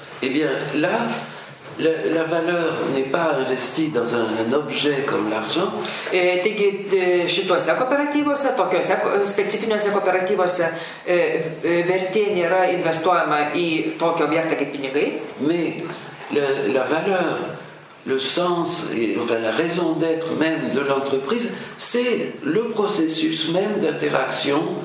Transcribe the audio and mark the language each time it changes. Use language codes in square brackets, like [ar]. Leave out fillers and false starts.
[fr] Eh bien, là, la valeur n'est pas investie dans un objet comme l'argent. [lt] Taigi, šituose kooperatyvose, tokiuose specifiniuose kooperatyvose, vertė nėra investuojama į tokį objektą kaip pinigai. [fr] Mais la valeur, le sens, enfin la raison d'être même de l'entreprise, c'est le processus même d'interaction.